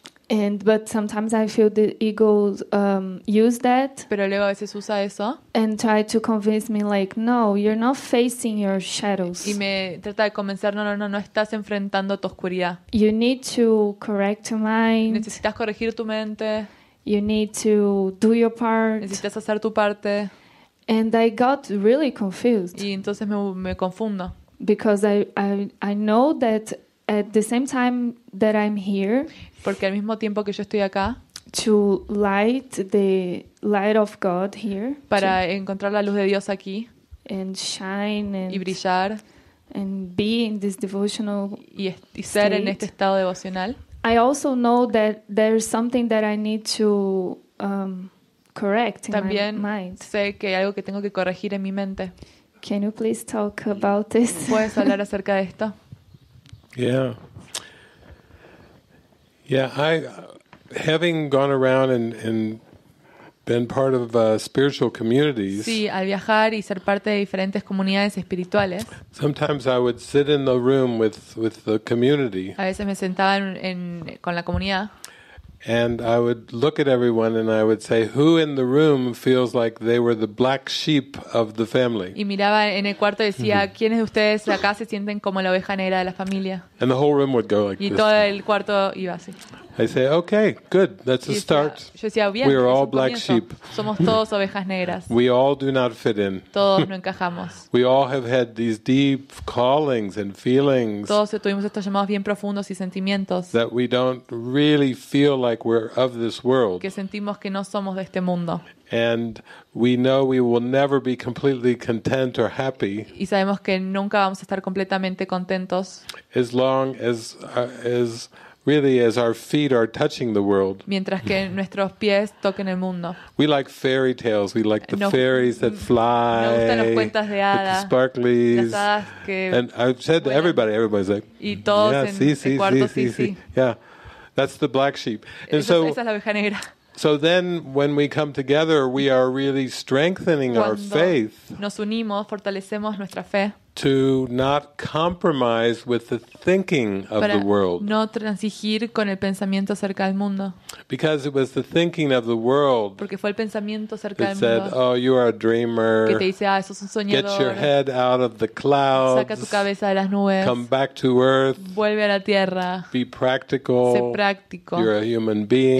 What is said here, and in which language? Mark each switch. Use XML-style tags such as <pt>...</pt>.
<en>And but sometimes I feel the ego use that.</en> <es>Pero luego a veces usa eso.</es> <en>And try to convince me like, no, you're not facing your shadows.</en> <es>Y me trata de convencer, no estás enfrentando tu oscuridad.</es> <en>You need to correct your mind.</en> <es>Necesitas corregir tu mente.</es> <en>You need to do your part.</en> <es>Necesitas hacer tu parte.</es> <en>And I got really confused.</en> <es>Y entonces me confundo.</es> <en>Because I know that at the same time that I'm here.</en> <es>Porque al mismo tiempo que yo estoy acá.</es> <en>To light the light of God here.</en> <es>Para encontrar la luz de Dios aquí.</es> <en>And shine and.</en> <es>Y brillar.</es> <en>And be in this devotional.</en> <es>Y ser en este estado devocional.</es> <en>I also know that there is something that I need to correct in</en> <es>también</es> <en>my mind.</en> <es>También sé que hay algo que tengo que corregir en mi mente.</es> <en>Can you please talk about this?</en> <es>¿Puedes hablar acerca de esto?</es> <en>Yeah. Yeah, I having gone around and been part of spiritual communities.</en> <es>Sí, al viajar y ser parte de diferentes comunidades espirituales.</es> <en>Sometimes I would sit in the room with the community.</en> <es>A veces me sentaba en con la comunidad.</es> <en>And I would look at everyone and I would say, who in the room feels like they were the black sheep of the family?</en> <es>Y miraba en el cuarto y decía, ¿quiénes de ustedes acá se sienten como la oveja negra de la familia?</es> <en>And the whole room would go like</en> <es>y</es> <en>this.</en> <es>Y todo el cuarto iba así.</es> <en>I say, okay, good, that's</en> <es>decía,</es> <en>a start.</en> <es>Yo decía, bien,</es> <en>we are all black sheep.</en> <es>Somos todos ovejas negras.</es> <en>We all do not fit in.</en> <es>Todos no encajamos.</es> <en>We all have had these deep callings and feelings.</en> <es>Todos tuvimos estos llamados bien profundos y sentimientos.</es> <en>That we don't really feel like we're of this world.</en> <es>Que sentimos que no somos de este mundo.</es> <en>And we know we will never be completely content or happy.</en> <es>Y sabemos que nunca vamos a estar completamente contentos.</es> <en>As long as really, as our feet are touching the world.</en> <es>Mientras que nuestros pies toquen el mundo.</es> <en>We like fairy tales. We like the fairies that fly.</en> <es>Nos gustan los cuentos de hadas.</es> <en>The sparklies.</en> <es>Las hadas que</es> <en>and I've said to everybody. Everybody's like.</en> <es>Y todos yeah, en sí, el sí, cuarto, sí, sí, sí.</es> <en>Yeah, that's the black sheep.</en> <es>And eso, so. Esa es la oveja negra.</es> <en>So then, when we come together, we are really strengthening</en> <es>cuando</es> <en>our faith.</en> <es>Nos unimos, fortalecemos nuestra fe.</es> <en>To not compromise with the thinking of the world.</en> <es>No transigir con el pensamiento acerca del mundo.</es> <en>Because it was the thinking of the world.</en> <es>Porque fue el pensamiento acerca del mundo.</es> <en>That said, "Oh, you are a dreamer."</en> <es>Que te dice, ah, sos un soñador.</es> <en>Get your head out of the clouds.</en> <es>Saca tu cabeza de las nubes.</es> <en>Come back to earth.</en> <es>Vuelve a la tierra.</es> <en>Be practical.</en> <es>Sé práctico.</es> <en>You're a human being.</en>